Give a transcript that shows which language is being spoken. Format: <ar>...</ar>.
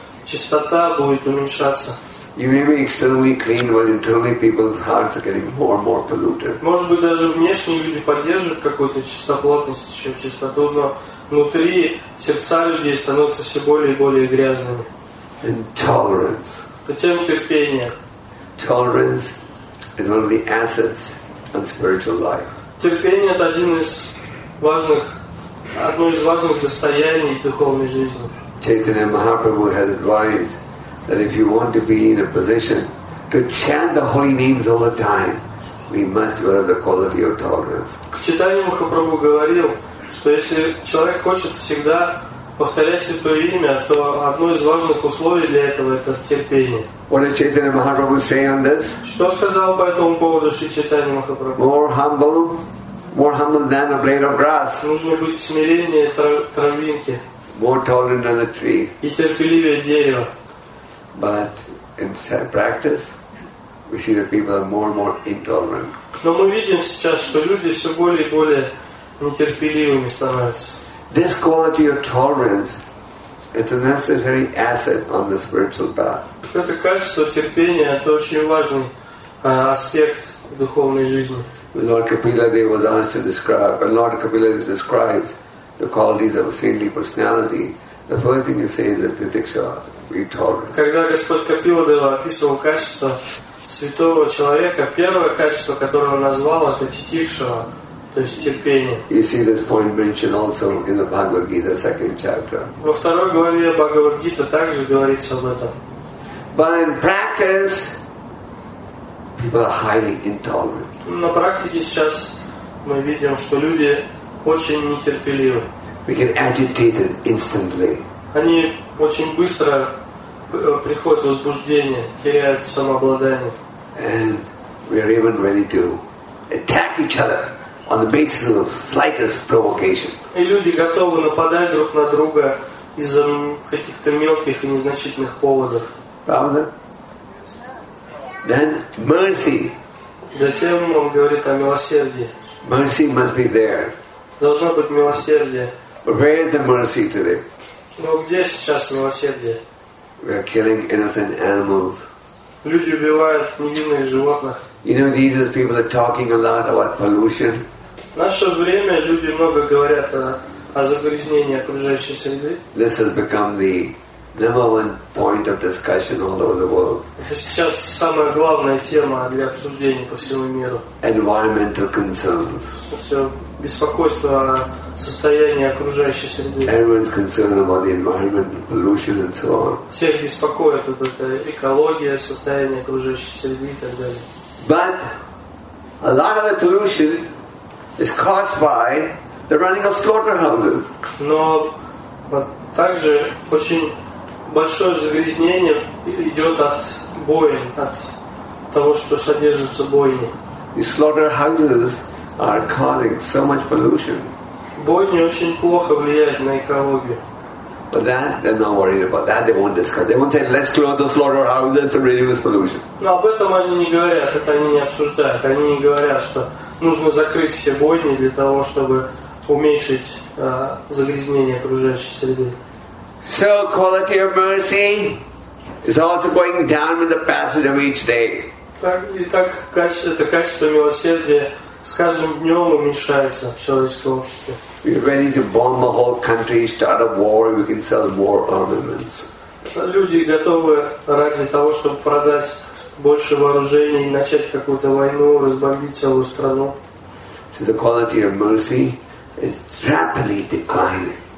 <en>You may be externally clean, but internally people's hearts are getting more and more polluted.</en> <ru>Может быть, даже внешние люди поддерживают какую-то чистоплотность, чем чистоту, но внутри сердца людей становятся все более и более грязными.</ru> <en>Intolerance.</en> <ru>Затем терпение.</ru> <en>Tolerance is one of the assets of spiritual life.</en> <ru>Терпение — это одно из важных достояний духовной жизни.</ru> <en>Chaitanya Mahaprabhu has advised that if you want to be in a position to chant the holy names all the time, we must develop the quality of tolerance.</en> <ru>Chaitanya Mahaprabhu говорил, что если человек хочет всегда повторять святое имя, то одно из важных условий для этого — это терпение.</ru> <en>What did Chaitanya Mahaprabhu say on this?</en> <ru>Что сказал по этому поводу Шри Чайтанья Махапрабху?</ru> <en>More humble than a blade of grass.</en> <ru>Нужно быть смиреннее травинки.</ru> <en>More tolerant than a tree.</en> <ru>И терпеливее дерева.</ru> <en>But in practice, we see that people are more and more intolerant.</en> <ru>Но мы видим сейчас, что люди все более и более нетерпеливыми становятся.</ru> <en>This quality of tolerance It's a necessary asset on the spiritual path.</en> <ru>Это качество терпения, это очень важный аспект духовной жизни.</ru> <en>Lord Kapila Dev was asked to describe, and Lord Kapila Dev describes the qualities of a saintly personality. The first thing he says is that we told.</en> <ru>Когда Господь Капила Дев описывал качество святого человека, первое качество, которое он назвал, это титикшава, то есть терпение.</ru> <en>You see this point mentioned also in the Bhagavad Gita, second chapter.</en> <ru>Во второй главе Бхагавад Гита также говорится об этом.</ru> <en>But in practice, people are highly intolerant.</en> <ru>На практике сейчас мы видим, что люди очень нетерпеливы.</ru> <en>We get agitated instantly.</en> <ru>Они очень быстро приходят в возбуждение, теряют самообладание.</ru> <en>And we are even ready to attack each other on the basis of slightest provocation.</en> <ru>И люди готовы нападать друг на друга из-за каких-то мелких и незначительных поводов. Правда?</ru> <en>Then mercy.</en> <ru>Затем он говорит о милосердии.</ru> <en>Mercy must be there.</en> <ru>Должно быть милосердие.</ru> <en>But where is the mercy today?</en> <ru>Но где сейчас милосердие?</ru> <en>We are killing innocent animals.</en> <ru>Люди убивают невинных животных.</ru> <en>You know, these people are talking a lot about pollution.</en> <ru>В наше время люди много говорят о загрязнении окружающей среды.</ru> <en>This has become the number one point of discussion all over the world.</en> <ru>Это сейчас самая главная тема для обсуждения по всему миру.</ru> <en>Environmental concerns.</en> <ru>Все беспокойство о состоянии окружающей среды.</ru> <en>Everyone's concerned about the environment, pollution, and so on.</en> <ru>Все беспокоят вот это экология, состояние окружающей среды и так далее.</ru> <en>But a lot of the pollution is caused by the running of slaughterhouses.</en> <ru>Но также очень большое загрязнение идет от бойни, от того, что содержится бойни.</ru> <en>The slaughterhouses are causing so much pollution.</en> <ru>Бойни очень плохо влияют на экологию.</ru> <en>But that they're not worried about. That they won't discuss. They won't say, let's close the slaughterhouses to reduce pollution.</en> <ru>Но об этом они не говорят. Это они не обсуждают. Они не говорят, что нужно закрыть все бойни для того, чтобы уменьшить загрязнение окружающей среды.</ru> <en>So quality of mercy is also going down with the passage of each day.</en> <ru>Так это качество милосердия с каждым днем уменьшается в человеческом обществе.</ru> <en>We are ready to bomb the whole country, start a war, we can sell more armaments.</en> <ru>Люди готовы ради того, чтобы продать больше вооружений, начать какую-то войну, разбомбить целую страну.</ru> <en>So the quality of mercy is rapidly declining.</en>